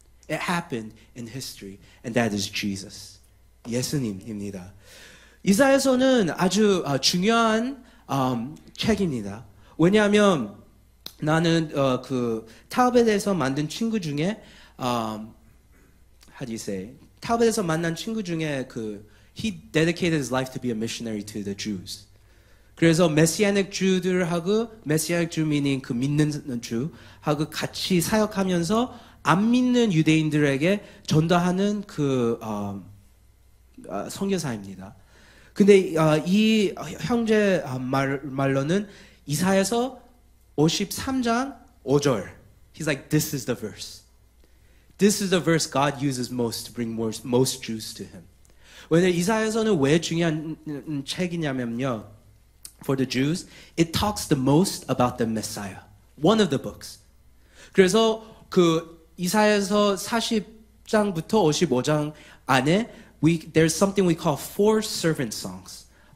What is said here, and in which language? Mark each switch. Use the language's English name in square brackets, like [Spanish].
[English] It happened in history, and that is Jesus, [Korean] 예수님입니다. 이사야서는 아주 중요한 책입니다. 왜냐하면 나는 그 타벳에서 만든 친구 중에 [English] how do you say? [Korean] 타벳에서 만난 친구 중에 그 [English] he dedicated his life to be a missionary to the Jews. [Korean] 그래서 메시아닉 주들하고 메시아닉 주민인 그 믿는 주하고 같이 사역하면서 안 믿는 유대인들에게 전도하는 그 선교사입니다. 근데 이 형제 말로는 이사야서 53장 5절. [English] He's like, this is the verse. This is the verse God uses most to bring most Jews to him. [Korean] 왜냐면 이사야서는 왜 중요한 책이냐면요. [English] For the Jews, it talks the most about the Messiah. One of the books. [Korean] 그래서 그 이사야서 40장부터 55장 안에 [English] there's something we call four servant songs.